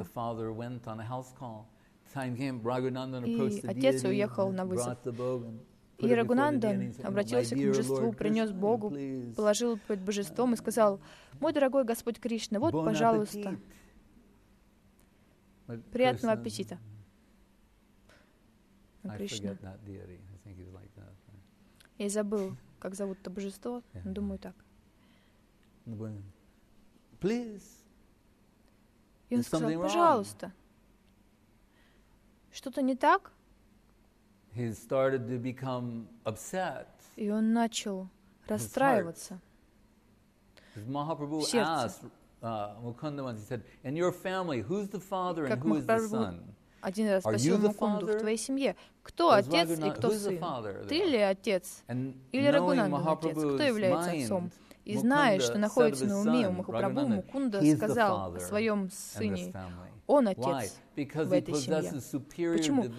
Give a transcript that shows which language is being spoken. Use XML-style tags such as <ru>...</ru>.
<en>And the father went on a house call. Time came, Рагунандан approached the deity.</en> <ru>И отец уехал на вызов. И Рагунандан обратился к божеству, принес Богу, положил перед божеством и сказал: «Мой дорогой Господь Кришна, вот, пожалуйста, приятного аппетита».</ru> <en>I forget that deity. I think he's like that.</en> <ru>Я забыл, как зовут-то божество. Yeah. Думаю так.</ru> <en>Please.</en> <ru>И он сказал, пожалуйста. Что-то не так?</ru> <en>He started to become upset.</en> <ru>И он начал расстраиваться.</ru> <en>Махапрабху asked Мукунда once, he said, in your family, who's the father and who is the son?</en> <ru>Один раз спросил Мукунду, в твоей семье, кто отец и кто сын? Ты ли отец? Или Рагунанда отец? Кто является отцом? И зная, что находится на уме у Махапрабху, Мукунда сказал о своем сыне, он отец в этой семье. Почему?</ru>